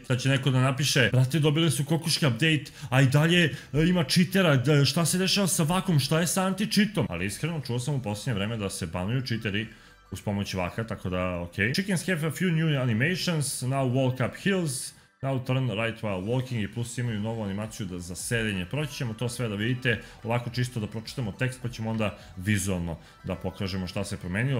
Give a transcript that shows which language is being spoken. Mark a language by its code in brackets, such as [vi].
[sr] Sad će neko da napiše, brate, dobile su kokoške update, a i dalje ima cheatera, šta se dešava sa vakom, šta je sa anti-cheatom? Ali iskreno, čuo sam u posljednje vreme da se banuju cheateri uz pomoć vaka, tako da ok. [en] Chickens have a few new animations, now walk up hills. Now turn right while walking [sr] i plus imaju novu animaciju da za sedenje. Proći ćemo to sve da vidite, ovako čisto da pročitamo tekst pa ćemo onda vizualno da pokažemo šta se promenilo.